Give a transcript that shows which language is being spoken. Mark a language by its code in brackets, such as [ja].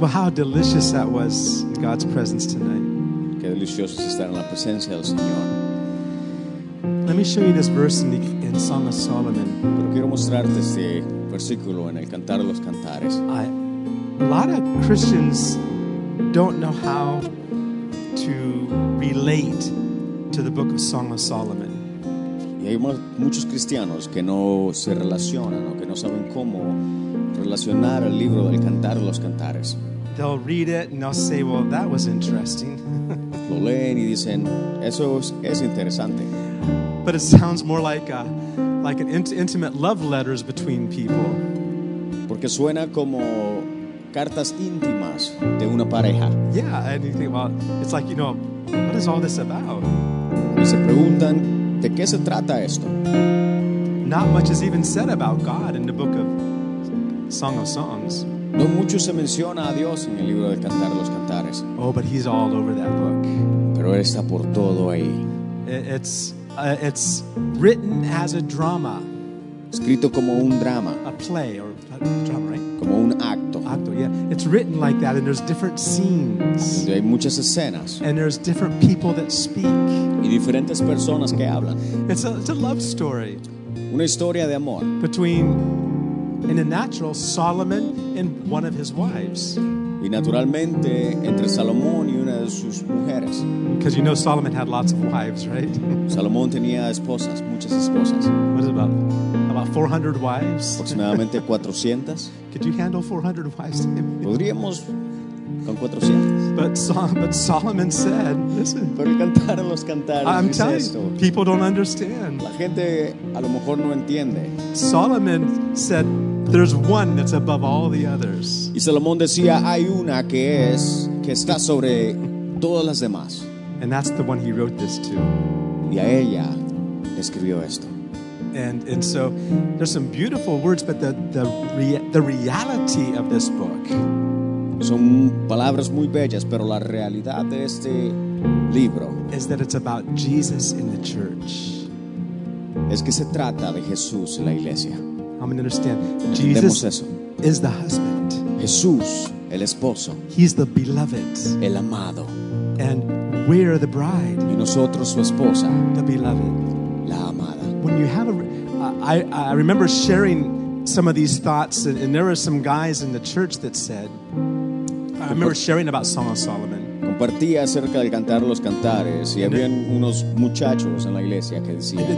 [en] Well, how delicious that was, God's presence tonight. [es] Qué delicioso es estar en la presencia del Señor. [en] Let me show you this verse in Song of Solomon. [es] Pero quiero mostrarte este versículo en el Cantar de los Cantares. [en] A lot of Christians don't know how to relate to the book of Song of Solomon. [es] Y hay muchos cristianos que no se relacionan o que no saben cómo relacionar el libro del Cantar de los Cantares. [en] They'll read it and they'll say, well, that was interesting. [es] Lo leen y dicen, eso es interesante. [en] But it sounds more like an intimate love letters between people. [es] Porque suena como cartas íntimas de una pareja. [en] Yeah, and you think, well, it's like, you know, what is all this about? [es] Y se preguntan, ¿de qué se trata esto? [en] Not much is even said about God in the book of Song of Songs. [es] No mucho se menciona a Dios en el libro de Cantar de los Cantares. [en] Oh, but he's all over that book. [es] Pero él está por todo ahí. [en] It's written as a drama. [es] Escrito como un drama. [en] A play or a drama, right? [es] Como un acto. Acto, yeah. [en] It's written like that, and there's different scenes. [es] Y hay muchas escenas. [en] And there's different people that speak. [es] Y diferentes personas que hablan. [en] It's a love story. [es] Una historia de amor. [en] Between, in the natural, Solomon and one of his wives. [es] Y naturalmente entre Salomón y una de sus mujeres. [en] Because you know Solomon had lots of wives, right? [es] Salomón tenía esposas, muchas esposas. [en] What is it about? About 400 wives. [es] Aproximadamente 400. [en] Could you handle 400 wives? [es] Podríamos con 400. [en] But Solomon said, listen. [es] Pero el Cantar de los Cantares dice esto. [en] I'm telling you, people don't understand. [es] La gente a lo mejor no entiende. [en] Solomon said, there's one that's above all the others. [es] Y Salomón decía, hay una que está sobre todas las demás. [en] And that's the one he wrote this to. [es] Y a ella escribió esto. [en] And so there's some beautiful words, but the reality of this book. [es] Son palabras muy bellas, pero la realidad de este libro [en] is that it's about Jesus in the church. [es] Es que se trata de Jesús en la iglesia. [en] I'm going to understand. [es] Entendemos [en] Jesus [es] eso. [en] Is the husband. [es] Jesús, el esposo. [en] He's the beloved. [es] El amado. [en] And we are the bride. [es] Y nosotros su esposa. [en] The beloved. [es] La amada. [en] When you have I remember sharing some of these thoughts, and there were some guys in the church that said, I remember sharing about Song of Solomon. [es] Compartía acerca del Cantar de los Cantares, y habían unos muchachos en la iglesia que decían.